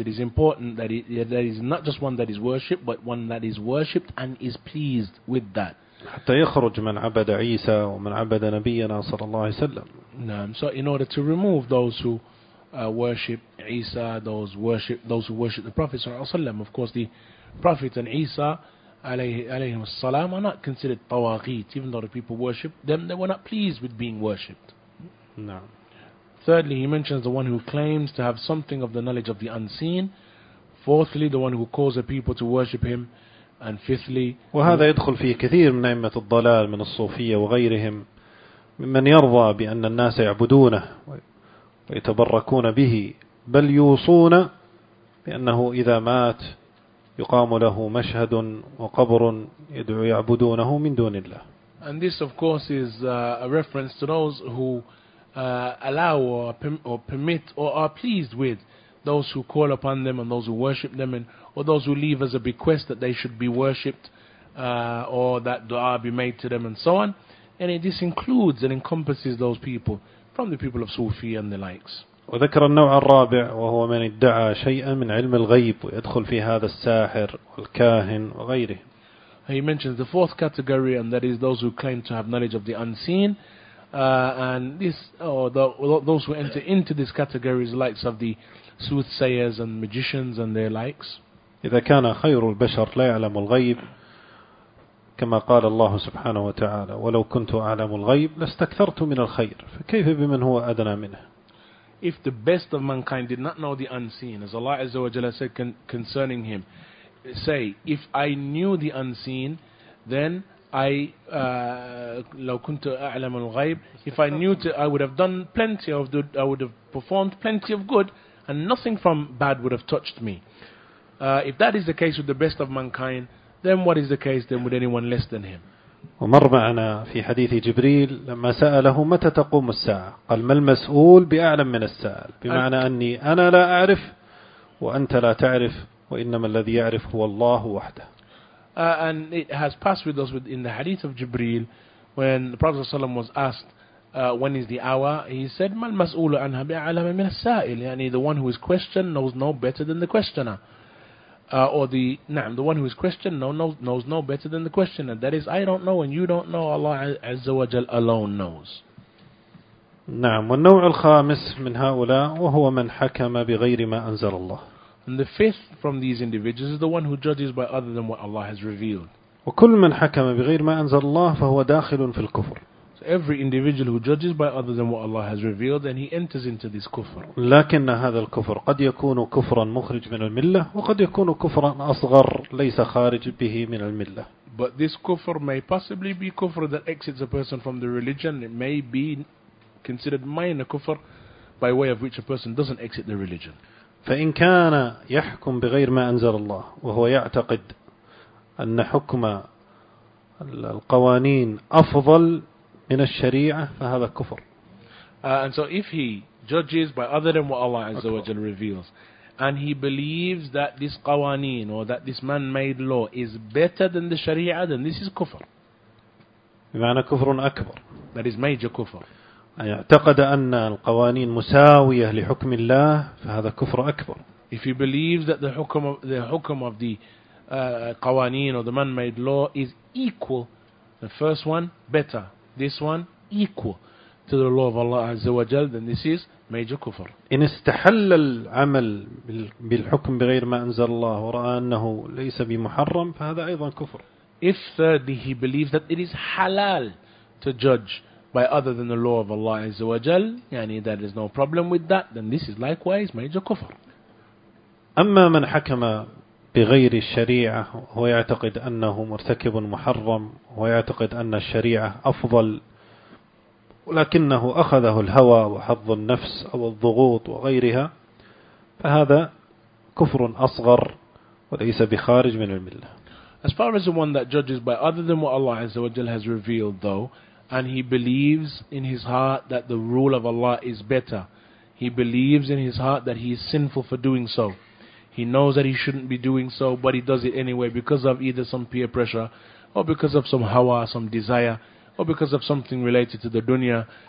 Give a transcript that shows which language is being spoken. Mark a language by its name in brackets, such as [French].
[English] It is important that is not just one that is worshipped, but one that is worshipped and is pleased with that. [Arabic] حتى يخرج من عبد عيسى ومن عبد نبينا صلى الله عليه وسلم. نعم. [English] So in order to remove those who worship Isa, those who worship the Prophet [Arabic] صلى الله عليه وسلم. [English] Of course, the Prophet and Isa [Arabic] عليهم السلام [English] are not considered طواغيت. Even though the people worship them, they were not pleased with being worshipped. No. Thirdly, he mentions the one who claims to have something of the knowledge of the unseen. Fourthly, the one who causes people to worship him. And fifthly, [Arabic] وهذا يدخل فيه كثير من أئمة الضلال من الصوفية وغيرهم ممن يرضى بأن الناس يعبدونه ويتبركون به، بل يوصون بأنه إذا مات يقام له مشهد وقبر يدعو يعبدونه من دون الله. [English] And this of course is a reference to those who allow or permit or are pleased with those who call upon them and those who worship them, and or those who leave as a bequest that they should be worshipped or that dua be made to them and so on. And this includes and encompasses those people from the people of Sufi and the likes. [Arabic] وذكر النوع الرابع وهو من ادعى شيئا من علم الغيب ويدخل في هذا الساحر والكاهن وغيره. [English] He mentions the fourth category, and that is those who claim to have knowledge of the unseen, those who enter into this category is the likes of the soothsayers and magicians and their likes. [Arabic] إذا كان خير البشر لا يعلم الغيب كما قال الله سبحانه وتعالى ولو كنت أعلم الغيب لاستكثرت من الخير فكيف بمن هو أدنى منه. [English] If the best of mankind did not know the unseen, as Allah Azza wa Jalla said concerning him, say, if I knew the unseen, then I [Arabic] لو كنت أعلم الغيب, [English] if I knew to, I would have done plenty of good, I would have performed plenty of good, and nothing from bad would have touched me. If that is the case with the best of mankind, then what is the case then with anyone less than him? [Arabic] ومر معنا في حديث جبريل لما سأله متى تقوم الساعة قال ما المسؤول بأعلم من السائل, بمعنى أني أنا لا أعرف وأنت لا تعرف وإنما الذي يعرف هو الله وحده. [English] And it has passed with us in the hadith of Jibreel when the Prophet ﷺ was asked when is the hour, he said [Arabic] ما المسؤول عنها بأعلم من السائل, [English] يعني the one who is questioned knows no better than the questioner. The one who is questioned knows no better than the questioner. That is, I don't know and you don't know. Allah Azza wa Jal alone knows. [Arabic] نعم. والنوع الخامس من هؤلاء وهو من حكم بغير ما أنزل الله. [English] And the fifth from these individuals is the one who judges by other than what Allah has revealed. [Arabic] وكل من حكم بغير ما أنزل الله فهو داخل في الكفر. [English] So every individual who judges by other than what Allah has revealed, then he enters into this kufr. [Arabic] لكن هذا الكفر قد يكون كفرا مخرج من الملة وقد يكون كفرا أصغر ليس خارج به من الملة. [English] But this kufr may possibly be kufr that exits a person from the religion. It may be considered minor kufr by way of which a person doesn't exit the religion. [Arabic] فإن كان يحكم بغير ما أنزل الله وهو يعتقد أن حكم القوانين أفضل من الشريعة فهذا كفر. [English] And so if he judges by other than what Allah Azza wa Jal reveals, and he believes that this قوانين or that this man-made law is better than the شريعة, then this is كفر. [Arabic] بمعنى كفر أكبر. [English] That is major كفر. [Arabic] يعتقد أن القوانين مساوية لحكم الله فهذا كفر أكبر. [English] If he believes that the حكم of the قوانين or the man-made law is equal, the first one better. This one equal to the law of Allah Azza wa Jal, then this is major kufr. [Arabic] إن استحل العمل بالحكم بغير ما أنزل الله ورأى أنه ليس بمحرم فهذا أيضا كفر. [English] If thirdly he believes that it is halal to judge by other than the law of Allah Azza wa Jal, يعني there is no problem with that, then this is likewise major kufr. [Arabic] أما من حكم بغير الشريعة هو يعتقد أنه مرتكب محرم ويعتقد أن الشريعة أفضل ولكنه أخذه الهوى وحظ النفس أو الضغوط وغيرها فهذا كفر أصغر وليس بخارج من الملة. [English] As far as the one that judges by other than what Allah Azza wa Jal has revealed though, and he believes in his heart that the rule of Allah is better, he believes in his heart that he is sinful for doing so, he knows that he shouldn't be doing so, but he does it anyway because of either some peer pressure, or because of some hawa, some desire, or because of something related to the dunya.